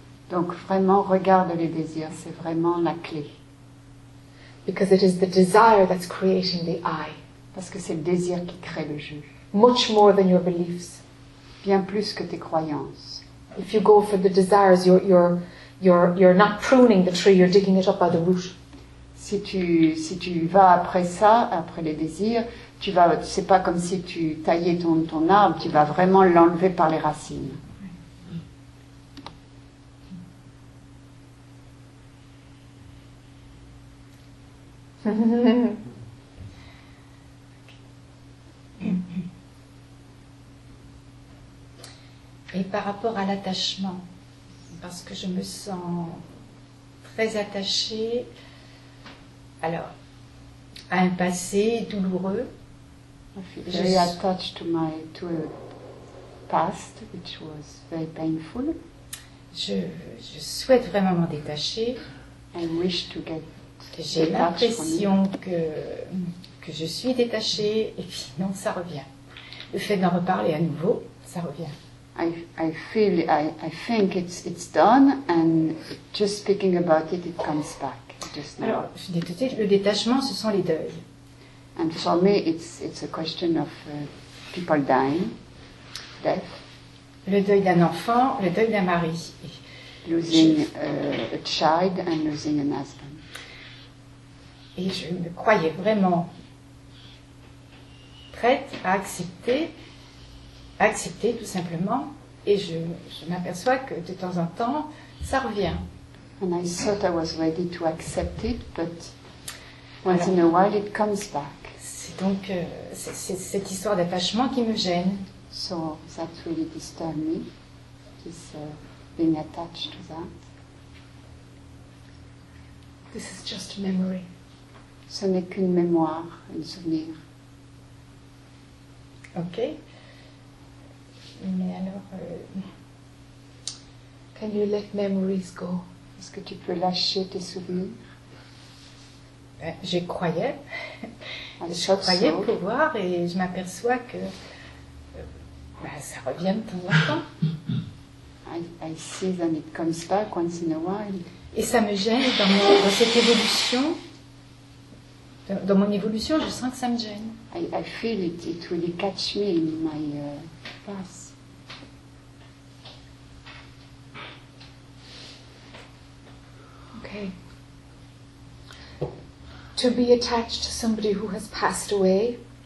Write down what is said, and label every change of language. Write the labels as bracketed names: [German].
[French] Donc vraiment regarde les désirs, c'est vraiment la clé. [English] Because it is the desire that's creating the I. [French] Parce que c'est le désir qui crée le jeu. [English] Much more than your beliefs. [French] Bien plus que tes croyances. [English] If you go for the desires, you're not pruning the tree, you're digging it up by the root. [French] Si tu vas après ça, après les désirs, tu vas, c'est pas comme si tu taillais ton arbre, tu vas vraiment l'enlever par les racines. Et par rapport à l'attachement, parce que je me sens très attachée. Alors, à un passé douloureux. [English] Very attached to a past which was very painful. [French] Je souhaite vraiment m'en détacher. [English] I wish to get. [French] J'ai l'impression que je suis détachée et puis non, ça revient. Le fait d'en reparler à nouveau, ça revient. [English] I think it's done and just speaking about it comes back. [French] Alors, je dis tout de suite, le détachement, ce sont les deuils. [English] And for me, it's a question of people dying, death. [French] Le deuil d'un enfant, le deuil d'un mari. [English] Losing a child and losing an husband. [French] Et je me croyais vraiment prête à accepter tout simplement, et je m'aperçois que de temps en temps, ça revient. [English] And I thought I was ready to accept it, but once in a while it comes back. [French] C'est donc c'est cette histoire d'attachement qui me gêne. [English] So that really disturbs me, this being attached to that. This is just a memory. [French] Ce n'est qu'une mémoire, un souvenir. Ok. Mais alors, [English] can you let memories go? [French] Est-ce que tu peux lâcher tes souvenirs? Je croyais pouvoir et je m'aperçois que ça revient de temps en temps. [English] I see that it comes back once in a while. [French] Et ça me gêne dans cette évolution. Dans mon évolution, je sens que ça me gêne. [English] I feel it really catch me in my past. Okay. To be attached to somebody who has passed away,